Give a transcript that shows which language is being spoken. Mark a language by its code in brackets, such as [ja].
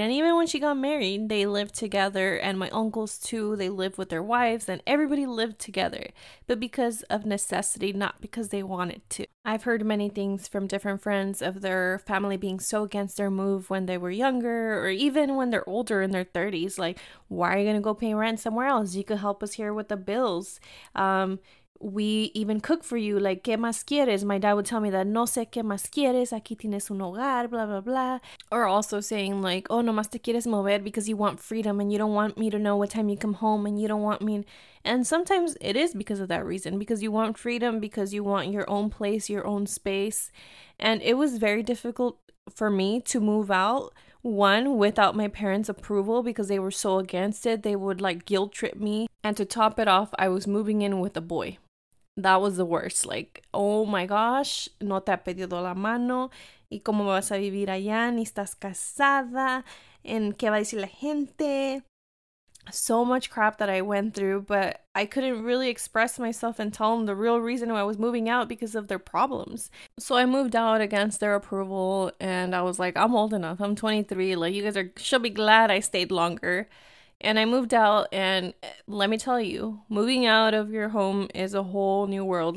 [en] And even when she got married, they lived together. And my uncles, too, they lived with their wives and everybody lived together. But because of necessity, not because they wanted to. I've heard many things from different friends of their family being so against their move when they were younger, or even when they're older in their 30s. Like, why are you gonna go pay rent somewhere else? You could help us here with the bills. We even cook for you, like, [es] ¿qué más quieres? [en] My dad would tell me that, [es] no sé qué más quieres, aquí tienes un hogar, [en] blah, blah, blah. Or also saying, like, oh, [es] nomás te quieres mover [en] because you want freedom and you don't want me to know what time you come home and you don't want me. And sometimes it is because of that reason, because you want freedom, because you want your own place, your own space. And it was very difficult for me to move out. One, without my parents' approval, because they were so against it, they would like guilt trip me. And to top it off, I was moving in with a boy. That was the worst. Like, oh my gosh, [es] no te ha pedido la mano. ¿Y cómo vas a vivir allá? Ni estás casada. ¿En qué va a decir la gente? [en] So much crap that I went through, but I couldn't really express myself and tell them the real reason why I was moving out, because of their problems. So I moved out against their approval, and I was like, I'm old enough, I'm 23, like, you guys are should be glad I stayed longer. And I moved out, and let me tell you, moving out of your home is a whole new world.